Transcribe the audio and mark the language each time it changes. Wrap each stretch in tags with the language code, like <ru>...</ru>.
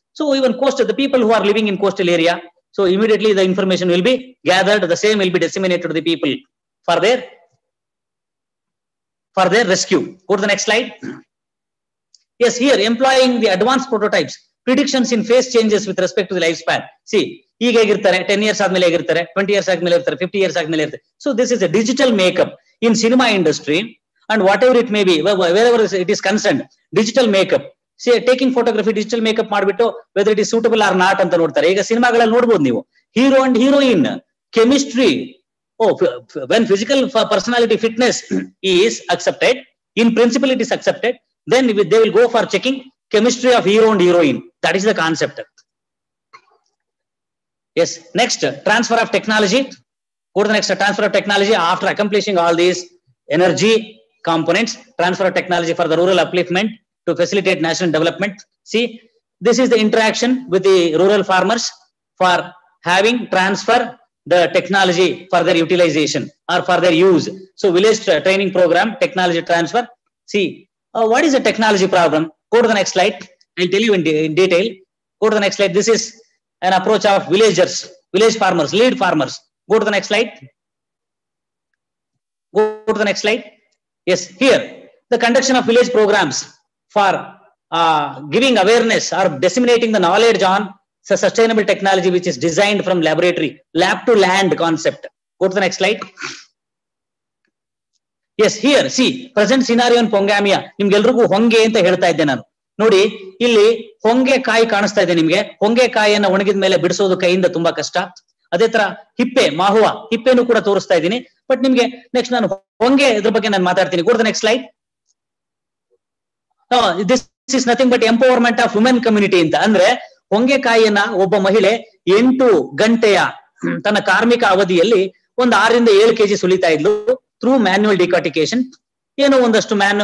<en>So even coastal, the people who are living in coastal area, so immediately the information will be gathered, the same will be disseminated to the people for their rescue. Go to the next slide. Yes, here employing the advanced prototypes, predictions in phase changes with respect to the lifespan.</en> <kn>See, ಹೀಗೆ ಇರ್ತಾರೆ, 10 years ಆದ್ಮೇಲೆ ಹೇಗಿರ್ತಾರೆ, 20 years ಆದ್ಮೇಲೆ ಇರ್ತಾರೆ, 50 years ಆದ್ಮೇಲೆ ಇರ್ತಾರೆ.</kn> <en>So this is a digital makeup in cinema industry and whatever it may be, wherever it is concerned. Digital makeup, see taking photography, digital makeup ಮಾಡಿಬಿಟ್ಟು whether it is suitable or not</en> <kn>ಅಂತ ನೋಡ್ತಾರೆ. ಈಗ ಸಿನಿಮಾಗಳಲ್ಲಿ ನೋಡ್ಬೋದು ನೀವು,</kn> <en>Hero and heroine chemistry, oh when physical personality fitness is accepted, in principle it is accepted, then they will go for checking chemistry of hero and heroine. That is the concept. Yes, next, transfer of technology. Go to the next, transfer of technology after accomplishing all these energy components, transfer of technology for the rural upliftment to facilitate national development. See, this is the interaction with the rural farmers for having transfer the technology for their utilization or for their use. So village training program, technology transfer. See, what is the technology problem? Go to the next slide. I'll tell you in detail. Go to the next slide. This is an approach of villagers, village farmers, lead farmers. Go to the next slide. Go to the next slide. Yes, here the conduction of village programs for giving awareness or disseminating the knowledge on sustainable technology, which is designed from laboratory, lab to land concept. Go to the next slide. Yes, here, see, present scenario in Pongamia.</en> <kn>ನಿಮ್ಗೆಲ್ರಿಗೂ ಹೊಂಗೆ ಅಂತ ಹೇಳ್ತಾ ಇದ್ದೆ ನಾನು. ನೋಡಿ, ಇಲ್ಲಿ ಹೊಂಗೆ ಕಾಯಿ ಕಾಣಿಸ್ತಾ ಇದೆ ನಿಮಗೆ. ಹೊಂಗೆ ಕಾಯಿಯನ್ನು ಒಣಗಿದ ಮೇಲೆ ಬಿಡಿಸೋದು ಕೈಯಿಂದ ತುಂಬಾ ಕಷ್ಟ. ಅದೇ ತರ ಹಿಪ್ಪೆ, ಮಾಹುವ ಹಿಪ್ಪೆನು ಕೂಡ ತೋರಿಸ್ತಾ ಇದ್ದೀನಿ. ಬಟ್ ನಿಮ್ಗೆ ನೆಕ್ಸ್ಟ್ ನಾನು ಹೊಂಗೆ ಇದ್ರ ಬಗ್ಗೆ ನಾನು ಮಾತಾಡ್ತೀನಿ.</kn> <en>Good the next slide. This is nothing but empowerment of women community</en> <kn>ಅಂತ. ಅಂದ್ರೆ ಹೊಂಗೆ ಕಾಯಿಯನ್ನ ಒಬ್ಬ ಮಹಿಳೆ 8 ಗಂಟೆಯ ತನ್ನ ಕಾರ್ಮಿಕ ಅವಧಿಯಲ್ಲಿ ಒಂದು 6-7 ಕೆಜಿ ಸುಲಿತಾ ಇದ್ಲು</kn> <en>Through manual decortication.</en> <kn>ಏನೋ ಒಂದಷ್ಟು</kn>